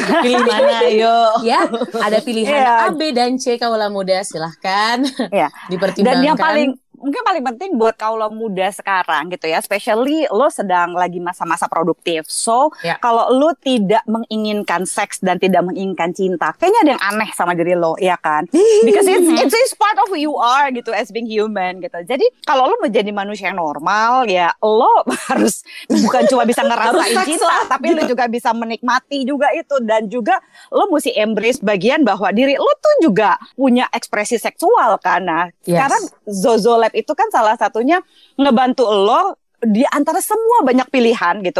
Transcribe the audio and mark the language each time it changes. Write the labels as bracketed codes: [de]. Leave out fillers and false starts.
[id] pilih mana yuk. Ya, ada pilihan A, B, dan C kaula muda, silahkan dipertimbangkan. Dan yang paling, mungkin paling penting buat kaula muda sekarang gitu ya, especially lo sedang lagi masa-masa produktif. So, kalau lo tidak menginginkan seks dan tidak menginginkan cinta, kayaknya ada yang aneh sama diri lo, ya kan? [en] Because it's part of who you are gitu, as being human gitu. [id] Jadi, kalau lo menjadi manusia yang normal, ya lo harus bukan cuma bisa ngerasain cinta, tapi lo juga bisa menikmati juga itu. Dan juga, lo mesti embrace bagian bahwa diri lo tuh juga punya ekspresi seksual, kan? Nah, sekarang Zozo Lab itu kan salah satunya ngebantu lo di antara semua banyak pilihan gitu.